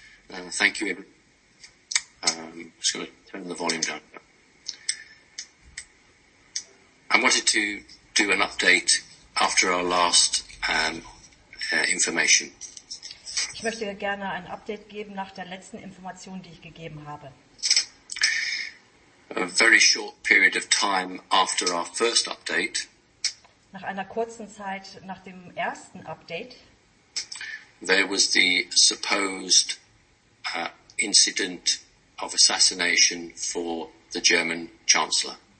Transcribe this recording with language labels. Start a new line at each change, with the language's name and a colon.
English: Thank you, Ibn. I'm just going to turn the volume down. I wanted to do an update after our last information.
German: Ich möchte gerne ein Update geben nach der letzten Information, die ich gegeben habe.
English: A very short period of time after our first update.
German: Nach einer kurzen Zeit nach dem ersten Update.
English: There was the supposed incident of assassination for the German Chancellor.